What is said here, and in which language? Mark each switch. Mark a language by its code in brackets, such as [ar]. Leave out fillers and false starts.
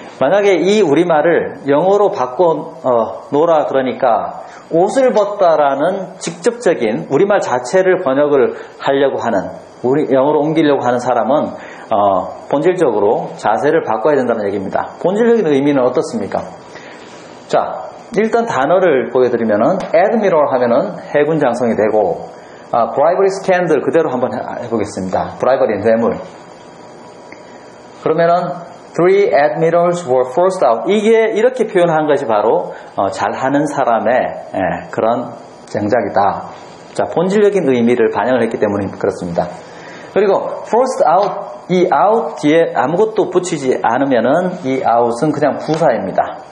[ko] 만약에 이 우리말을 영어로 바꿔놓으라 그러니까 옷을 벗다라는 직접적인 우리말 자체를 번역을 하려고 하는 우리 영어로 옮기려고 하는 사람은 본질적으로 자세를 바꿔야 된다는 얘기입니다. 본질적인 의미는 어떻습니까? 자, 일단 단어를 보여드리면은 Admiral 하면은 해군 장성이 되고 Bribery Scandal 그대로 한번 해보겠습니다. Bribery 뇌물. [en] 그러면은 Three Admirals were forced out. [ko] 이게 이렇게 표현한 것이 바로 잘하는 사람의 그런 장작이다. 자, 본질적인 의미를 반영을 했기 때문에 그렇습니다. 그리고 [en] forced out, [ko] 이 out 뒤에 아무것도 붙이지 않으면은 이 out은 그냥 부사입니다.